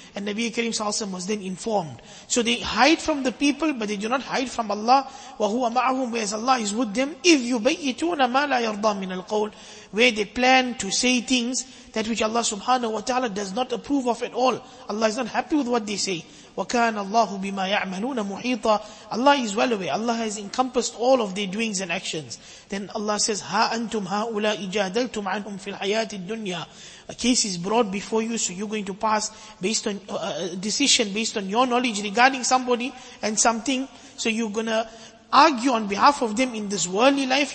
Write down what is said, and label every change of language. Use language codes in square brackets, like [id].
[en] And Nabi Kareem sallallahu alayhi wa sallam was then informed. So they hide from the people, but they do not hide from Allah. وَهُوَ مَعَهُمْ, whereas Allah is with them. إِذْ يُبَيِّتُونَ مَا لَا يَرْضَى مِنَ الْقَوْلِ, where they plan to say things that which Allah subhanahu wa ta'ala does not approve of at all. Allah is not happy with what they say. [ar] وَكَانَ اللَّهُ بِمَا يَعْمَلُونَ مُحِيطًا, Allah is well aware. [en] Allah has encompassed all of their doings and actions. Then Allah says, هَا أَنْتُمْ هَا أُولَىٰ إِجَادَلْتُمْ عَنْهُمْ فِي الْحَيَاةِ الدُّنْيَا, a case is brought before you, so you're going to pass based on a decision based on your knowledge regarding somebody and something. So you're going to argue on behalf of them in this worldly life.